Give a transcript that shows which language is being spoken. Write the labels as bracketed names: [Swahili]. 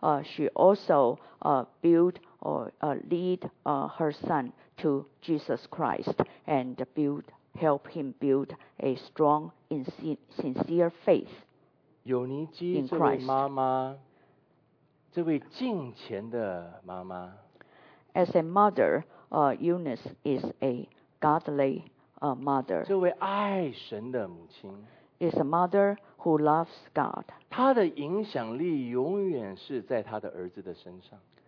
[English] She also built or lead her son to Jesus Christ and help him build a strong and sincere faith in Christ. [Chinese] 这位妈妈，这位敬虔的妈妈。 [English] As a mother, Eunice is a godly mother, [Chinese] 这位爱神的母亲 [English] is a mother who loves God. [Chinese] 她的影响力永远是在她的儿子的身上。